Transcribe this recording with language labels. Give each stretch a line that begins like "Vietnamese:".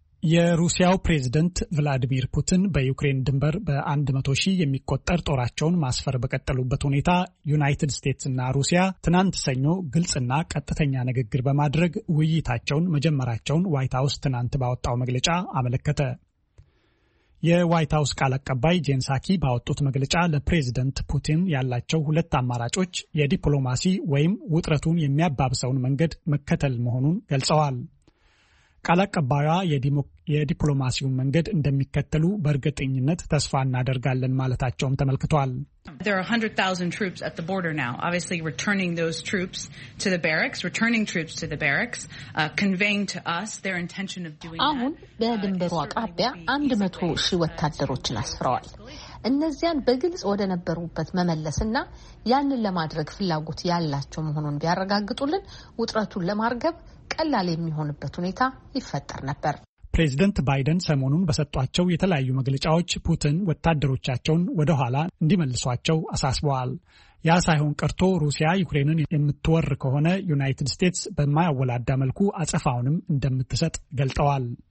Amharic: የሩሲያው ፕሬዝደንት ቭላዲሚር ፑቲን በዩክሬን ድንበር በ100,000 የሚቆጠር ጦራቸውን ማስፈር በቀጠሉበት ሁኔታ ዩናይትድ ስቴትስ እና ሩሲያ ትናንት ሰኞ ግልጽና ቀጥተኛ ንግግር በማድረግ ውይይታቸውን መጀመራቸውን ዋይት ሃውስ ትናንት ባወጣው መግለጫ አመለከተ። የዋይት ሃውስ ቃል አቀባይ ጄን ሳኪ ባወጡት መግለጫ ለፕሬዝደንት ፑቲን ያላቸው ሁለት አማራጮች የዲፕሎማሲ ወይም ውጥረቱን የሚያባብሰውን መንገድ መከተል መሆኑን ገልጸዋል። ቃል አቀባይዋ የዲፕሎማሲው መንገድ እንደሚከተሉ በእርግጠኝነት ተስፋ እናደርጋለን ማለታቸውም ተመልክቷል።
English: There are 100,000 troops at the border now. Obviously returning those troops to the barracks, conveying to us their intention of doing that.
Amharic: አሁን በድንበሩ አቅራቢያ 100 ሺህ ወታደሮችን አስፈራዋል። እነዚያን በግልጽ ወደ ነበሩበት መመለስና ያንን ለማድረግ ፍላጎት ያላቸው መሆኑን ቢያረጋግጡልን ውጥረቱን ለማርገብ ቀላል የሚሆንበት ሁኔታ ይፈጠር ነበር። ፕሬዚደንት ባይደን ሰሞኑን በሰጧቸው የተለያዩ መግለጫዎች ፑቲን ወታደሮቻቸውን ወደ ኋላ እንዲመልሷቸው አሳስበዋል። ያ ሳይሆን ቀርቶ ሩሲያ ዩክሬንን የምትወር ከሆነ ዩናይትድ ስቴትስ በማያወላዳ መልኩ አጸፋውንም እንደምትሰጥ ገልጠዋል።